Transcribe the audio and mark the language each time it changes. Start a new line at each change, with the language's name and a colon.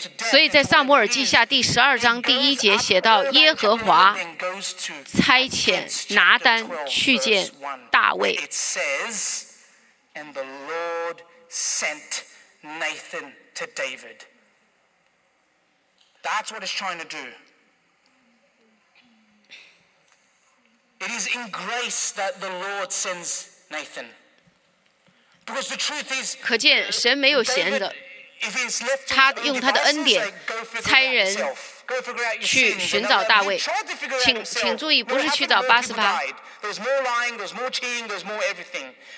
Chinese: 所以在撒母耳记下第十二章第一节写到耶和华差遣拿单去见大卫。
English: It says, and the Lord sent Nathan to David. That's what it's trying to do. It is in grace that the Lord sends Nathan. Because the truth is,
Chinese: 可见神没有闲的，他用他的恩典差人去寻找大卫。请注意，不是去找八十八。
English: There's more lying, there's more cheating, there's more everything.